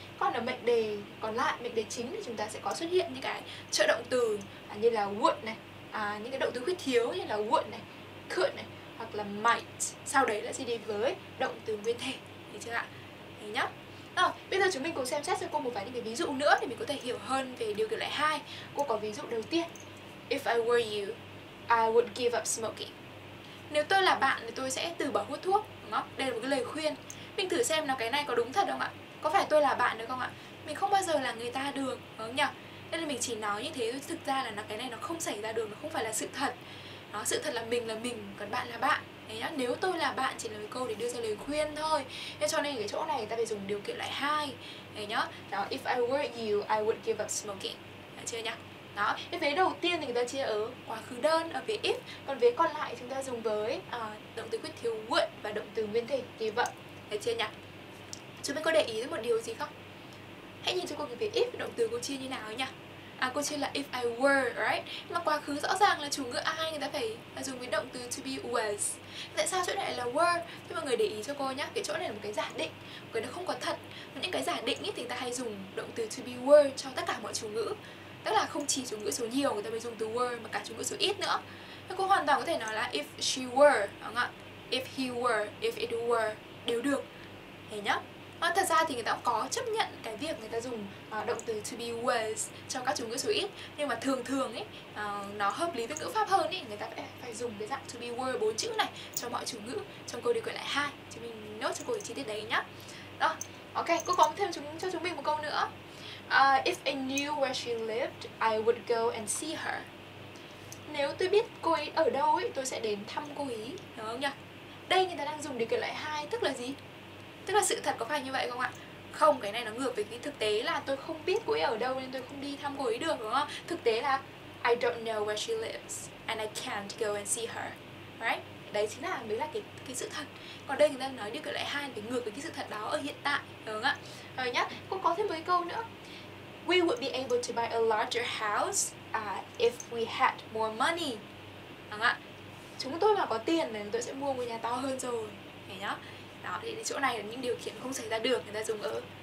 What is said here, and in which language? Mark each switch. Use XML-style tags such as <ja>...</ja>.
<vi>Còn ở mệnh đề còn lại, mệnh đề chính thì chúng ta sẽ có xuất hiện những cái trợ động từ như là would này, những cái động từ khuyết thiếu như là would này, could này, hoặc là might, sau đấy là sẽ đi với động từ nguyên thể, thấy chưa ạ? Thấy nhá. Rồi, bây giờ chúng mình cùng xem xét cho cô một vài những cái ví dụ nữa để mình có thể hiểu hơn về điều kiện loại 2. Cô có ví dụ đầu tiên.</vi> <en>If I were you, I would give up smoking.</en> <vi>Nếu tôi là bạn thì tôi sẽ từ bỏ hút thuốc, đúng không? Đây là một cái lời khuyên. Mình thử xem nào, cái này có đúng thật không ạ? Có phải tôi là bạn được không ạ? Mình không bao giờ là người ta được, đúng không nhỉ? Nên là mình chỉ nói như thế thôi, thực ra là cái này nó không xảy ra được, nó không phải là sự thật. Đó, sự thật là mình, còn bạn là bạn. Đấy nhá, nếu tôi là bạn chỉ là một câu để đưa ra lời khuyên thôi. Thế cho nên cái chỗ này ta phải dùng điều kiện loại 2. Đấy nhá, đó,</vi> <en>if I were you, I would give up smoking.</en> <vi>Đấy chưa nhá. Đó, cái vế đầu tiên thì người ta chia ở quá khứ đơn, ở vế if. Còn vế còn lại chúng ta dùng với động từ khuyết thiếu would và động từ nguyên thể give up. Đấy chưa nhá. Chúng mình có để ý một điều gì không? Hãy nhìn cho cô cái vế if, động từ cô chia như nào ấy nhá. À, cô chia là</vi> <en>if I were, right?</en> <vi>Nhưng mà quá khứ rõ ràng là chủ ngữ I người ta phải là dùng cái động từ to be was. Tại sao chỗ này là were? Thế mọi người để ý cho cô nhá, cái chỗ này là một cái giả định, cái nó không có thật. Và những cái giả định ý, thì người ta hay dùng động từ to be were cho tất cả mọi chủ ngữ. Tức là không chỉ chủ ngữ số nhiều người ta mới dùng từ were, mà cả chủ ngữ số ít nữa. Thế cô hoàn toàn có thể nói là</vi> <en>if she were,</en> <vi>đúng không ạ?</vi> <en>If he were, if it were,</en> <vi>đều được. Thế nhá. Thật ra thì người ta cũng có chấp nhận cái việc người ta dùng động từ to be was cho các chủ ngữ số ít. Nhưng mà thường thường ấy, nó hợp lý với ngữ pháp hơn ý. Người ta phải dùng cái dạng to be were 4 chữ này cho mọi chủ ngữ trong câu điều kiện loại 2. Chứ mình nốt cho cô chi tiết đấy nhá. Rồi, ok, cô có thêm cho chúng mình một câu nữa.</vi> <en>If I knew where she lived, I would go and see her.</en> <vi>Nếu tôi biết cô ấy ở đâu ấy, tôi sẽ đến thăm cô ấy, đúng không nhỉ? Đây người ta đang dùng điều kiện loại 2, tức là gì? Tức là sự thật có phải như vậy không ạ? Không, cái này nó ngược với cái thực tế là tôi không biết cô ấy ở đâu nên tôi không đi thăm cô ấy được, đúng không? Thực tế là</vi> <en>I don't know where she lives and I can't go and see her, right?</en> <vi>Đấy chính là mới là cái sự thật. Còn đây người ta nói điều kiện loại 2 thì ngược với cái sự thật đó ở hiện tại, đúng không ạ? Rồi nhá, cô có thêm mấy câu nữa.</vi> <en>We would be able to buy a larger house if we had more money,</en> <vi>đúng không ạ? Chúng tôi mà có tiền thì tôi sẽ mua một nhà to hơn rồi, hiểu nhá? Đó, thì chỗ này là những điều kiện không xảy ra được, người ta dùng ở</vi>